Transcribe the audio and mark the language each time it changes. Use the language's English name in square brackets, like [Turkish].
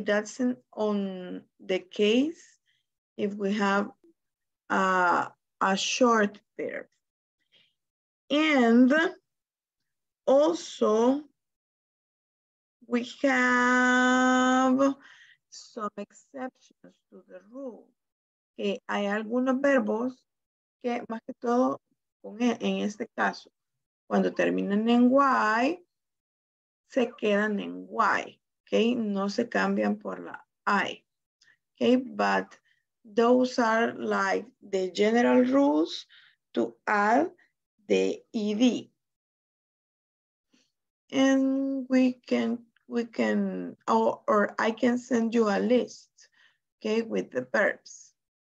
[English] That's in, on the case if we have a short verb. And also, we have some exceptions to the rule. [Spanish] Okay, hay algunos verbos que más que todo en este caso, cuando terminan en Y, se quedan en Y. Okay, no se cambian por la I. [English] Okay, but those are like the general rules to add the ED. And we can, or I can send you a list, okay, with the verbs.